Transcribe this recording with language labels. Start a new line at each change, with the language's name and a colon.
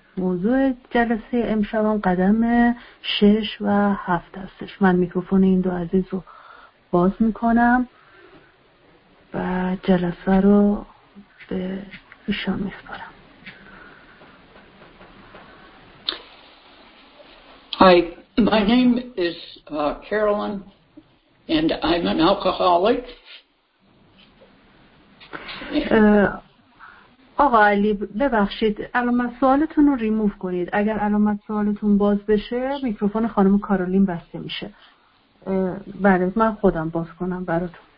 Persian: موضوع جلسه امشب قدم 6 و 7 هستش. من میکروفون این دو عزیز رو باز میکنم و جلسه رو به ایشان میسپارم.
English: Hi, my name is Carolyn and I'm an alcoholic.
Persian: آقا علی ببخشید علامت سوالتون رو ریموف کنید. اگر علامت سوالتون باز بشه میکروفون خانم کارولین بسته میشه. بله من خودم باز کنم براتون.